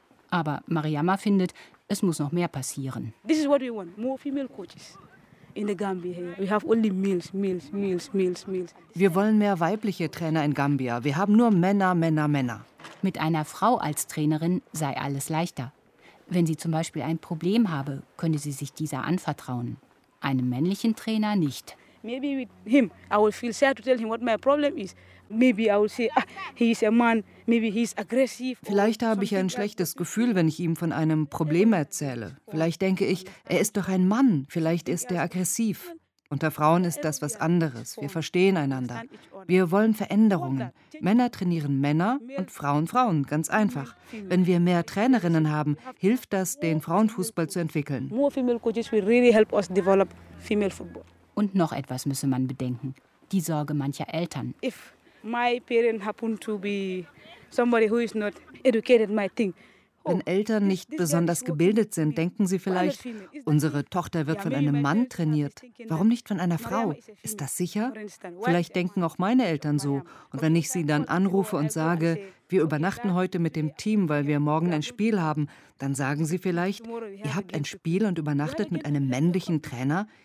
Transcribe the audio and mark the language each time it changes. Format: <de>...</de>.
<de>Aber Mariama findet, es muss noch mehr passieren.</de> <en>This is what we want, more female coaches. In the Gambia here. We have only males.</en> <de>Wir wollen mehr weibliche Trainer in Gambia. Wir haben nur Männer. Mit einer Frau als Trainerin sei alles leichter. Wenn sie zum Beispiel ein Problem habe, könnte sie sich dieser anvertrauen. Einem männlichen Trainer nicht.</de> <en>Maybe with him, I will feel sad to tell him what my problem is. Maybe I will say, he is a man. Maybe he is aggressive.</en> <de>Vielleicht habe ich ein schlechtes Gefühl, wenn ich ihm von einem Problem erzähle. Vielleicht denke ich, er ist doch ein Mann. Vielleicht ist er aggressiv. Unter Frauen ist das was anderes. Wir verstehen einander. Wir wollen Veränderungen. Männer trainieren Männer und Frauen Frauen, ganz einfach. Wenn wir mehr Trainerinnen haben, hilft das, den Frauenfußball zu entwickeln.</de> <en>More female coaches will really help us develop female football.</en> <de>Und noch etwas müsse man bedenken. Die Sorge mancher Eltern.</de> <en>If my parent happen to be somebody who is not educated, my thing.</en> <de>Wenn Eltern nicht besonders gebildet sind, denken sie vielleicht, unsere Tochter wird von einem Mann trainiert. Warum nicht von einer Frau? Ist das sicher? Vielleicht denken auch meine Eltern so. Und wenn ich sie dann anrufe und sage, wir übernachten heute mit dem Team, weil wir morgen ein Spiel haben, dann sagen sie vielleicht, ihr habt ein Spiel und übernachtet mit einem männlichen Trainer?</de>